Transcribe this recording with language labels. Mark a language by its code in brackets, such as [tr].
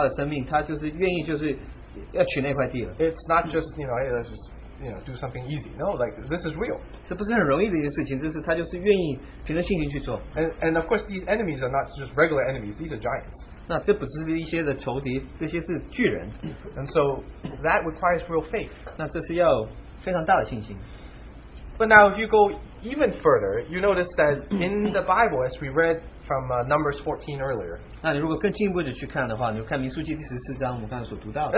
[zh] 那他在那边也愿意冒险他的生命，他就是愿意就是要取那块地了。 [en] It's not just, you know, let's just, you know, do something easy. No, like, this is real. [zh] 这不是很容易的一件事情，这是他就是愿意凭着信心去做。 [en] And of course, these enemies are not just regular enemies. These are giants. [zh] 那这不只是一些的仇敌，这些是巨人。 [en] And so, that requires real faith. [zh] 那这是要非常大的信心。 [en] But now, if you go even further, you notice that in the Bible, as we read from Numbers 14 earlier, [zh] 那你如果更进一步的去看的话，你就看民数记第14章，我们刚才所读到的。